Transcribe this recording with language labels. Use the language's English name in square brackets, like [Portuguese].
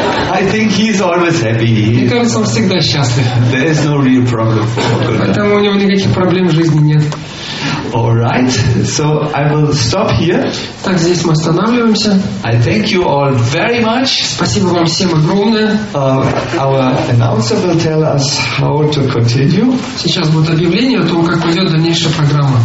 [English] I think he's always happy. [Russian] Мне кажется, он всегда счастлив. [English] There is no real problem for Muguna. [Russian] Поэтому у него никаких проблем в жизни нет. [English] All right. So I will stop here. [Russian] Так, здесь мы останавливаемся. [English] I thank you all very much. [Russian] Спасибо вам всем огромное. [English] Our announcer will tell us how to continue. [Russian] Сейчас будет объявление о том, как пойдет дальнейшая программа.